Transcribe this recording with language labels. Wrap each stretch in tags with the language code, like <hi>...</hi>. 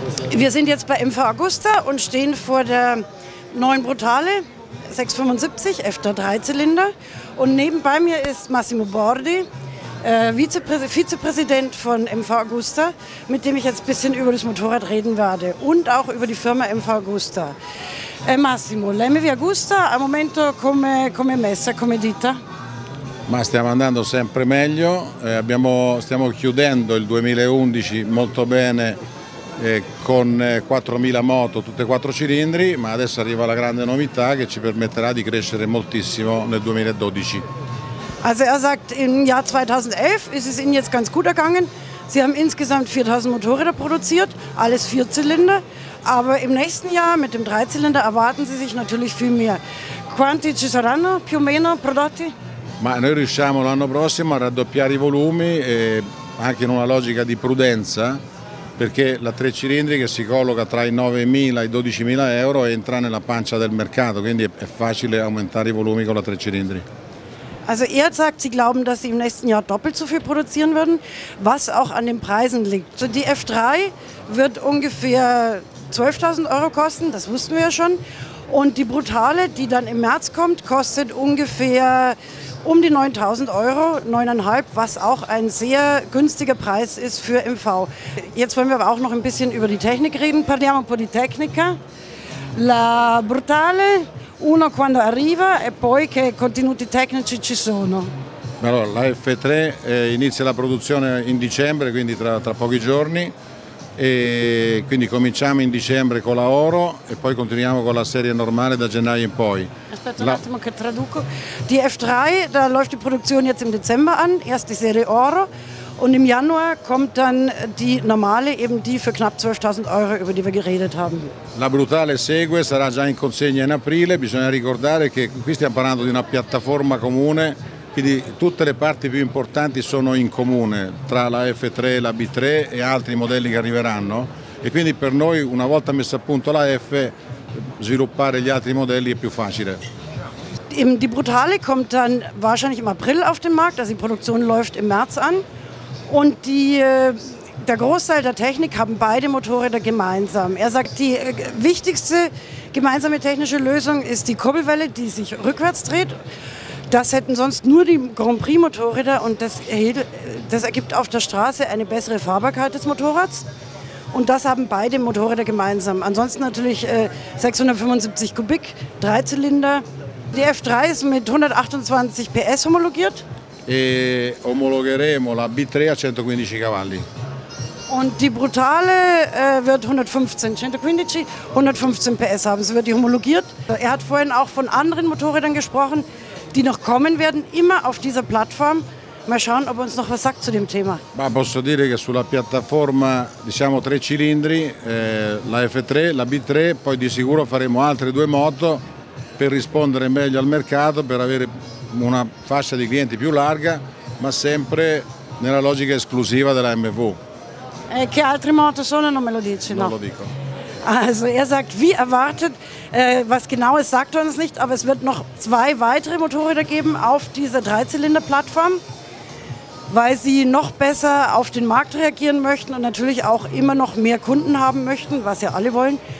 <de>Wir sind jetzt bei MV Augusta und stehen vor der neuen Brutale 675 öfter Dreizylinder. Und neben bei mir ist Massimo Bordi, Vizepräsident von MV Augusta, mit dem ich jetzt ein bisschen über das Motorrad reden werde und auch über die Firma MV Augusta.</de> <it>Massimo, l'MV Augusta al momento come è messa, come dita? Ma stiamo andando sempre meglio, stiamo chiudendo il 2011 molto bene con 4.000 moto, tutte quattro cilindri, ma adesso arriva la grande novità che ci permetterà di crescere moltissimo nel 2012.</it> <de>Also er sagt, im Jahr 2011 ist es Ihnen jetzt ganz gut ergangen. Sie haben insgesamt 4000 Motorräder produziert, alles Vierzylinder. Aber im nächsten Jahr mit dem Dreizylinder erwarten Sie sich natürlich viel mehr.</de> <it>Quanti ci saranno più o meno prodotti? Ma noi riusciamo l'anno prossimo a raddoppiare i volumi, anche in una logica di prudenza, perché la tre cilindri che si colloca tra i 9.000 e i 12.000 euro entra nella pancia del mercato, quindi è facile aumentare i volumi con la tre cilindri.</it> <de>Also er sagt, Sie glauben, dass Sie im nächsten Jahr doppelt so viel produzieren würden, was auch an den Preisen liegt. So die F3 wird ungefähr 12.000 Euro kosten, das wussten wir ja schon. Und die Brutale, die dann im März kommt, kostet ungefähr um die 9.000 Euro, 9.500, was auch ein sehr günstiger Preis ist für MV. Jetzt wollen wir aber auch noch ein bisschen über die Technik reden.</de> <it>Parliamo un po' di tecnica. La Brutale... Uno quando arriva e poi che contenuti tecnici ci sono? Allora, la F3 inizia la produzione in dicembre, quindi tra pochi giorni. E quindi cominciamo in dicembre con la Oro e poi continuiamo con la serie normale da gennaio in poi. Aspetta un attimo che traduco.</it> <de>Die F3, da läuft die Produktion jetzt im Dezember an, erst die Serie Oro. Und im Januar kommt dann die normale, eben die für knapp 12.000 Euro, über die wir geredet haben.</de> <it>La Brutale segue, sarà già in consegna in aprile. Bisogna ricordare che qui stiamo parlando di una piattaforma comune, quindi tutte le parti più importanti sono in comune, tra la F3, la B3 e altri modelli che arriveranno. E quindi per noi, una volta messa a punto la F, sviluppare gli altri modelli è più facile.</it> <de>Die Brutale kommt dann wahrscheinlich im April auf den Markt, also die Produktion läuft im März an. Und der Großteil der Technik haben beide Motorräder gemeinsam. Er sagt, die wichtigste gemeinsame technische Lösung ist die Kurbelwelle, die sich rückwärts dreht. Das hätten sonst nur die Grand Prix Motorräder und das ergibt auf der Straße eine bessere Fahrbarkeit des Motorrads. Und das haben beide Motorräder gemeinsam. Ansonsten natürlich 675 Kubik, Dreizylinder. Die F3 ist mit 128 PS homologiert.</de> <it>E omologheremo la B3 a 115 cavalli.</it> <de>Und die Brutale wird 115 PS haben, sie wird homologiert. Er hat vorhin auch von anderen Motorrädern gesprochen, die noch kommen werden, immer auf dieser Plattform. Mal schauen, ob er uns noch was sagt zu dem Thema.</de> <it>Ma posso dire che sulla piattaforma, diciamo tre cilindri, la F3, la B3, poi di sicuro faremo altre due moto per rispondere meglio al mercato, per avere una fascia di clienti più larga, ma sempre nella logica esclusiva della MV. E che altre moto sono? Non me lo dici, no? Non lo dico.</it> <de>Also, er sagt, wie erwartet, was genaues sagt er uns nicht, aber es wird noch zwei weitere Motorräder geben auf dieser Dreizylinder-Plattform, weil sie noch besser auf den Markt reagieren möchten und natürlich auch immer noch mehr Kunden haben möchten, was ja alle wollen.</de>